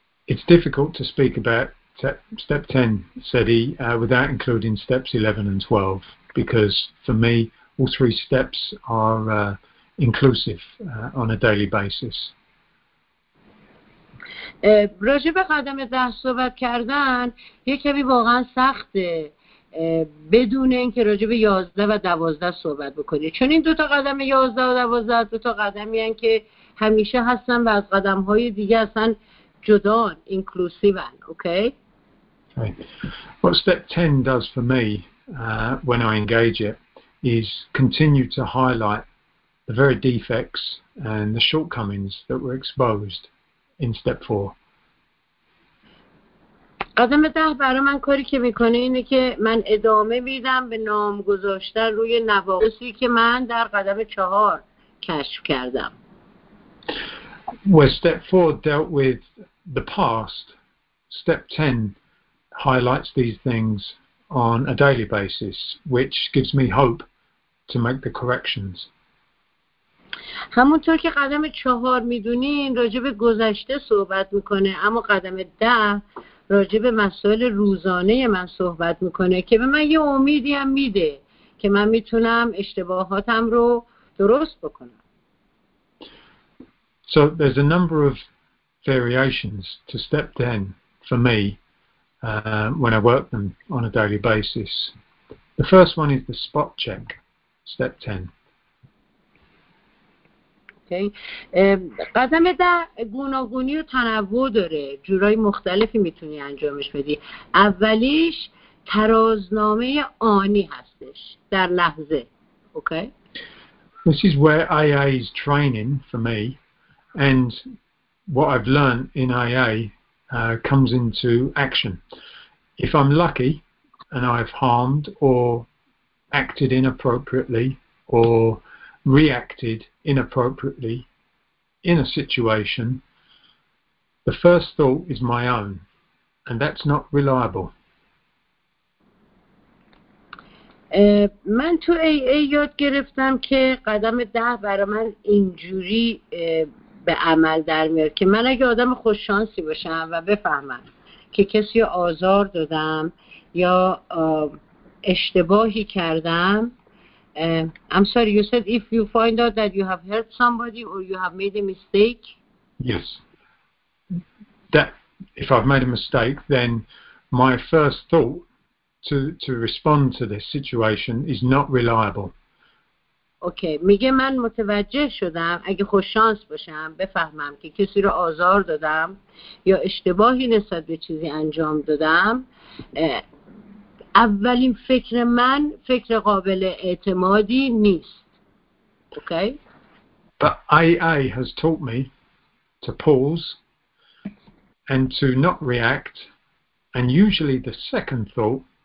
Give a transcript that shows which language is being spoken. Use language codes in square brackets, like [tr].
[en] It's difficult to speak about step 10 Sedi without including steps 11 and 12 because for me all three steps are inclusive on a daily basis. [fa] راجع به قدم 10 صحبت کردن یه کمی واقعا سخته بدون اینکه راجع به 11 و 12 صحبت بکنی، چون این دوتا قدم 11 و 12 دوتا قدمی هستن که همیشه هستن و از قدم های دیگه هستن جدا اینکلوسیو هستن. اوکی؟ [en] What step 10 does for me when I engage it is continue to highlight the very defects and the shortcomings that were exposed in step 4. [fa] قدم 10 برای من کاری که میکنه اینه که من ادامه میدم به نام گذاشتن روی نواقصی که من در قدم 4 کشف کردم. [en] Where step 4 dealt with the past, step 10 highlights these things on a daily basis, which gives me hope to make the corrections. [fa] همونطور که قدم 4 میدونین راجب گذشته صحبت میکنه، اما قدم 10 راجب مسائل روزانه من صحبت میکنه که به من یه امیدی هم میده که من میتونم اشتباهاتم رو درست بکنم. [en] So there's a number of variations to step 10 for me when I work them on a daily basis. The first one is the spot check, step 10. Okay. [fa] قدم 10 گوناگونی و تنوع داره، جورای مختلفی میتونی انجامش بدی. اولیش ترازنامه آنی هستش در لحظه. [en] Okay. This is where AA is training for me and what I've learned in AA comes into action. If I'm lucky and I've harmed or acted inappropriately or reacted inappropriately in a situation, the first thought is my own, and that's not reliable. [fa] من تو AA یاد گرفتم که قدم 10 برای من اینجوری به عمل در میاد که من اگه آدم خوششانسی باشم و بفهمم که کسی رو آزار دادم یا اشتباهی کردم، I'm sorry, you said if you find out that you have hurt somebody or you have made a mistake. [en] Yes. That if I've made a mistake, then my first thought to respond to this situation is not reliable. [fa] اوکی، میگه من متوجه شدم اگه خوش شانس باشم بفهمم که کسی رو آزار دادم یا اشتباهی نسبت به چیزی انجام دادم، اولین فکر من فکر قابل اعتمادی نیست. اوکی. [en] But AA has taught me to pause and to not react, and usually the second thought